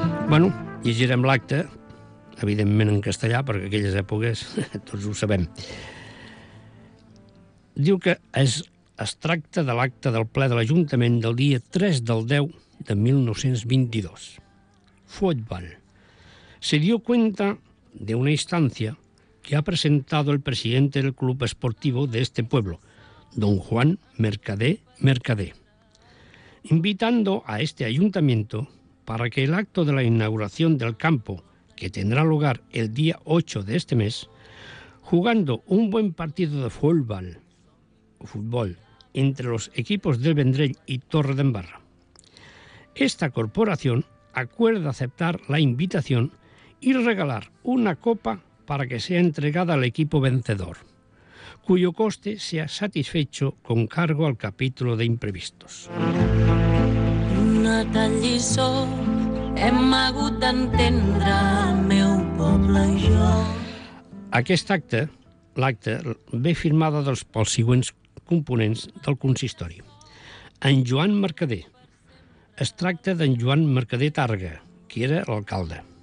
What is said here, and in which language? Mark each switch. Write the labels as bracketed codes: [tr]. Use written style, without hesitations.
[ca] Bueno, llegirem l'acte, evidentment en castellà, perquè aquelles èpoques tots ho sabem. Diu que es tracta de l'acte del ple de l'Ajuntament del dia 3/10/1922. [es] Fútbol. Se dio cuenta de una instancia que ha presentado el presidente del club esportivo de este pueblo, don Juan Mercadé, invitando a este ayuntamiento para que el acto de la inauguración del campo, que tendrá lugar el día 8 de este mes, jugando un buen partido de fútbol entre los equipos del Vendrell y Torredembarra. Esta corporación acuerda aceptar la invitación y regalar una copa para que sea entregada al equipo vencedor, cuyo coste sea satisfecho con cargo al capítulo de imprevistos. [ca] Una tal lliçó hem hagut d'entendre, el meu poble i jo. Aquest acte, l'acte, ve firmada pels següents components del consistori. En Joan Mercadé. Es tracta d'en Joan Mercadé Targa, que era l'alcalde.